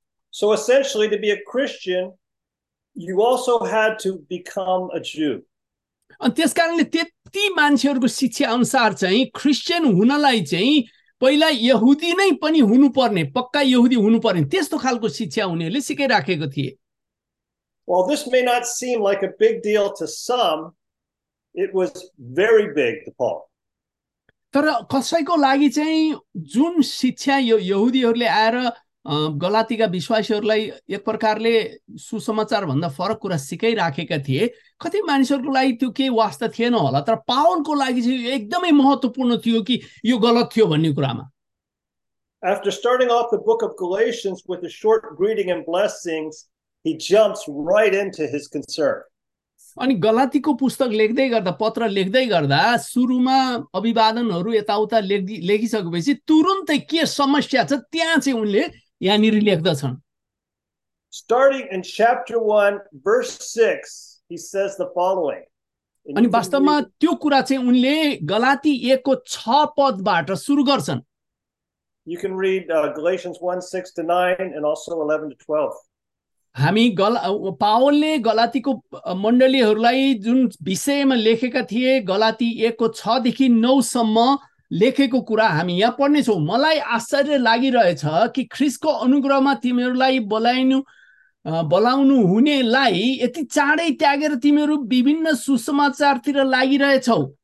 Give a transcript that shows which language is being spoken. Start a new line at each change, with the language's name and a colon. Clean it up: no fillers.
English: So essentially, to be a Christian, you also had to become a Jew.
Nepali: अनि त्यस कारणले त्यति मान्छेहरूको शिक्षा अनुसार चाहिँ क्रिस्चियन हुनलाई चाहिँ पहिला यहुदी नै पनि हुनुपर्ने पक्का यहुदी हुनुपर्ने त्यस्तो खालको शिक्षा उनीहरूले सिकाइराखेको थिए।
English: Well, this may not seem like a big deal to some, It was very big to Paul.
Nepali: तर कसैको लागि चाहिँ जुन शिक्षा यो यहुदीहरूले आएर गलातीका विश्वासीहरूलाई एक प्रकारले सुसमाचारभन्दा फरक कुरा सिकाइराखेका थिए, कति मानिसहरूको लागि त्यो केही वास्ता थिएन होला, तर पावलको लागि चाहिँ यो एकदमै महत्त्वपूर्ण थियो कि यो गलत थियो भन्ने कुरामा.
English: After starting off the book of Galatians with a short greeting and blessings, he jumps right into his concern.
Nepali: अनि गलातीको पुस्तक लेख्दै गर्दा, पत्र लेख्दै गर्दा सुरुमा अभिवादनहरू यताउता लेखिसकेपछि तुरुन्तै के समस्या छ त्यहाँ चाहिँ उनले यहाँनिर लेख्दछन्.
English: Starting in chapter 1, verse 6, he says the following.
Nepali: अनि वास्तवमा त्यो कुरा चाहिँ उनले गलाती 1:6 सुरु गर्छन्.
English: You can read Galatians 1:6-9 and also 11-12.
Nepali: हामी पावलले गलातीको मण्डलीहरूलाई जुन विषयमा लेखेका थिए गलाती 1:6-9 लेखेको कुरा हामी यहाँ पढ्नेछौँ. मलाई आश्चर्य लागिरहेछ कि ख्रिस्टको अनुग्रहमा तिमीहरूलाई बोलाउनु हुनेलाई यति चाँडै त्यागेर तिमीहरू विभिन्न सुसमाचारतिर लागिरहेछौ.